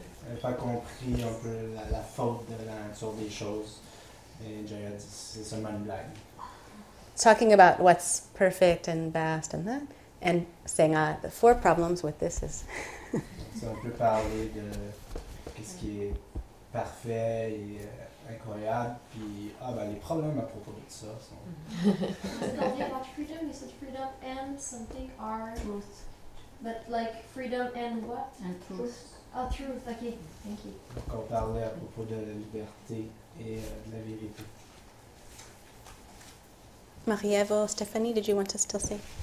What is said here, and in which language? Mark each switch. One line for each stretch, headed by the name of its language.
French: Elle n'a pas compris un peu la faute de la nature des choses. Et Jaya dit, c'est seulement une blague.
English: Talking about what's perfect and vast and that, and saying, the four problems with this is...
French: C'est un peu parler de qu'est-ce qui est parfait et incroyable, puis les problèmes à propos de ça sont...
English: Is it only about freedom? Is it freedom and something or... Truth. But like, freedom and what? And truth. Oh, truth, ok, thank you.
French: Donc on parlait à propos de la liberté et de la vérité.
English: Marie-Ève or Stephanie, did you want to still say?